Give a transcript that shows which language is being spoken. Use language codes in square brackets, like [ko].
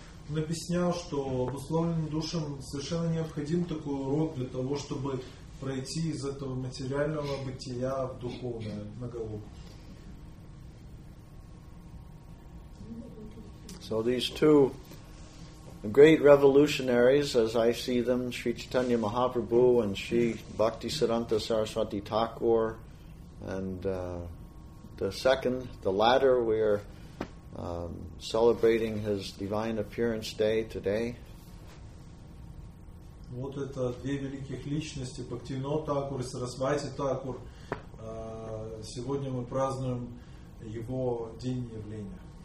[ru] Он объяснял, что обусловленным душам совершенно необходим такой урок для того, чтобы пройти из этого материального бытия в духовное, на Голоку. [en] So these two great revolutionaries, as I see them, Sri Chaitanya Mahaprabhu and Sri Bhaktisiddhanta Saraswati Thakur, and the latter, we are celebrating his divine appearance day today. [ru] Вот это две великих личности, Бхактивинод Такур и Сарасвати Такур. Сегодня мы празднуем его день явления.